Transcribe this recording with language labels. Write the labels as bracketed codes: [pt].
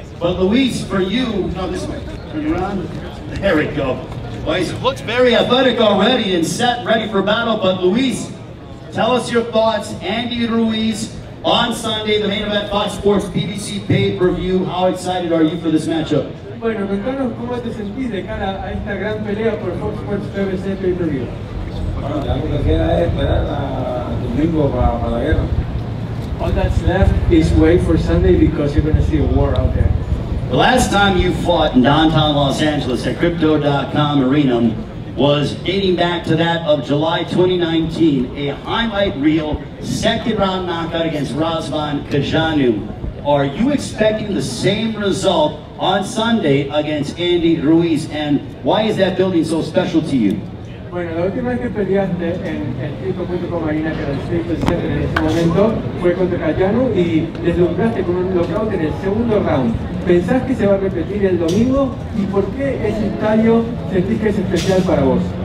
[en] But Luis, for you, come this way. Turn around. There we go. Well, he looks very athletic already and set, ready for battle. But Luis, tell us your thoughts, Andy Ruiz, on Sunday, the main event, Fox Sports PBC pay-per-view. How excited are you for this matchup? [es] Bueno, cuéntanos cómo te sentís de cara a esta gran pelea por Fox Sports PBC Pay-Per-View. Bueno, ya lo que queda es esperar a domingo para la guerra. [en] All that's left is wait for Sunday because you're going to see a war out there. The last time you fought in downtown Los Angeles at Crypto.com Arena was dating back to that of July 2019, a highlight reel second round knockout against Razvan Kajanu. Are you expecting the same result on Sunday against Andy Ruiz, and why is that building so special to you? [es] Bueno, la última vez que peleaste en el Crypto.com Arena, que era el 6-7 en ese momento, fue contra Kajanu y deslumbraste con un knockout en el segundo round. ¿Pensás que se va a repetir el domingo? ¿Y por qué ese estadio sentís que es especial para vos?